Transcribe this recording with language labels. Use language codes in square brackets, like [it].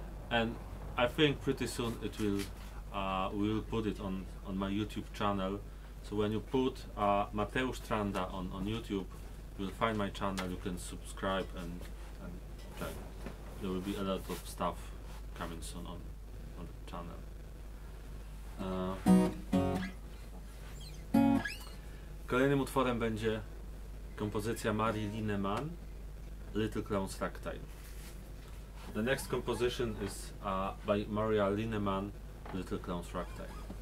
[en] And I think pretty soon it will we'll put it on my YouTube channel. So when you put Mateusz Tranda on YouTube, you'll find my channel, you can subscribe and check. There will be a lot of stuff coming soon on the channel. [pl] Kolejnym utworem będzie kompozycja Marii Lineman, Little Clowns Ragtime. [en] The next composition is by Maria Lineman, Little Clowns Ragtime.